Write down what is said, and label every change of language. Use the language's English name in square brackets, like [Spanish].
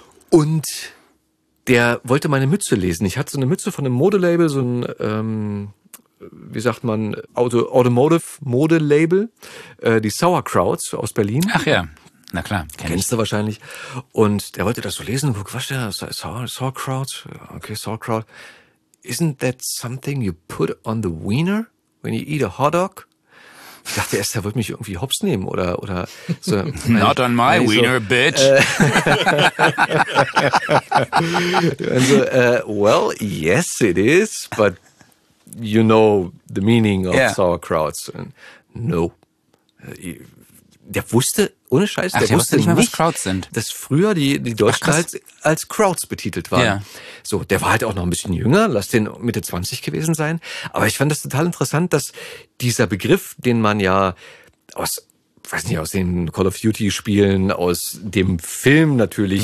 [German] Und der wollte meine Mütze lesen. Ich hatte so eine Mütze von einem Modelabel, so ein Automotive-Modelabel, die Sauerkrauts aus Berlin. Ach ja, na klar. Kennst du wahrscheinlich. Und der wollte das so lesen. Und guck, was ist das? Sauerkraut? Okay, Sauerkraut. [English] Isn't that something you put on the wiener when you eat a hot dog? [German] Ich dachte erst, der wird mich irgendwie hops nehmen oder so. [English] Not on my wiener, so, bitch. [German] Und so, [English] well, yes it is, but you know the meaning of sauerkrauts. And no. [German] Der wusste, ohne Scheiß, der wusste nicht mehr, was Krauts sind. Dass früher die Deutschen als Krauts betitelt waren. [English] Yeah. [German] So, der war halt auch noch ein bisschen jünger, lass den Mitte 20 gewesen sein. Aber ich fand das total interessant, dass dieser Begriff, den man ja aus, weiß nicht, aus den Call of Duty Spielen, aus dem Film natürlich,